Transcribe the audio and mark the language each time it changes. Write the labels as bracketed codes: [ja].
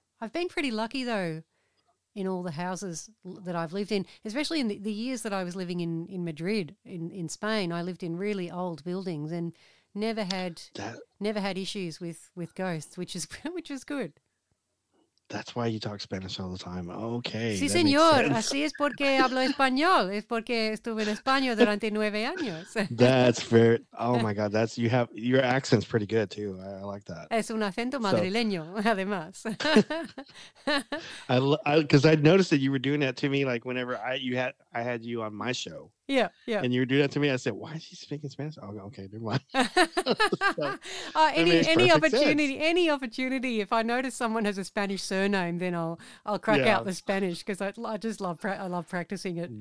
[en] I've been pretty lucky, though, in all the houses that I've lived in, especially in the years that I was living in Madrid, in Spain. I lived in really old buildings and never had issues with ghosts, which is good. That's why you talk Spanish all the time. Okay. [es] Sí, señor. Así es porque hablo español. Es porque estuve en España durante 9 años. [en] That's very. Oh my God. That's your accent's pretty good too. I like that. [es] Es un acento madrileño, además. [en] Because I noticed that you were doing that to me, like whenever I had you on my show. Yeah, yeah. And you were doing that to me. I said, "Why is he speaking Spanish?" Oh, okay, never mind. So, any opportunity. If I notice someone has a Spanish surname, then I'll crack out the Spanish, because I just love I love practicing it.